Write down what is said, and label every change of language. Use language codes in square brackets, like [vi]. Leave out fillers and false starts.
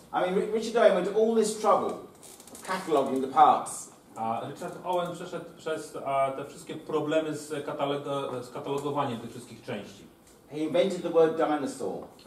[en] I mean, Richard Owen went all this trouble of cataloging the parts. [pl] Richard Owen przeszedł przez te wszystkie problemy z katalogowaniem tych wszystkich części. [en] He invented the word dinosaur.